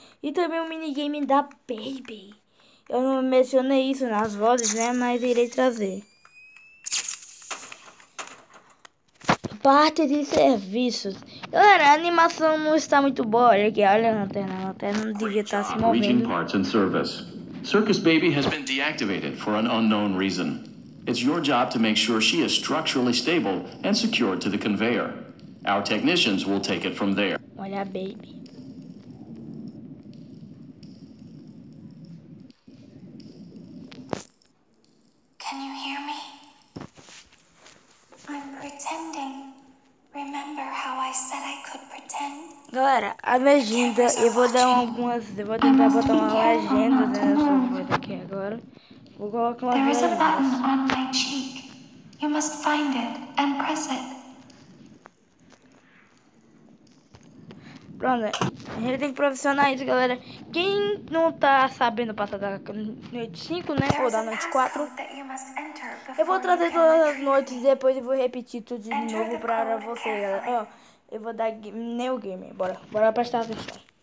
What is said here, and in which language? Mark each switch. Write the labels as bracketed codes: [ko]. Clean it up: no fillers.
[pt] E também o minigame da Baby. Eu não mencionei isso nas vozes, né? Mas irei trazer. Parte de serviços. Galera, a animação não está muito boa. Olha aqui, olha a lanterna não devia estar se movendo. [en] Parts and service. Circus Baby has been deactivated for an unknown reason. It's your job to make sure she is structurally stable and secure to the conveyor. Our technicians will take it from there. [pt] Olha, baby. [en] Can you hear me? I'm pretending. Remember how I said I could pretend? [pt] Galera, a legenda, eu vou dar algumas, eu vou tentar botar uma legenda nessa coisa aqui agora. Vou colocar uma legenda. [en] There is a button on my cheek. You must find it and press it. [pt] Pronto, ele tem que profissionar isso, galera. Quem não tá sabendo passar da noite 5, né? Ou da noite 4. Eu vou trazer todas as noites e depois eu vou repetir tudo de novo pra você, galera. Ó, eu vou dar new game. Bora. Bora prestar atenção.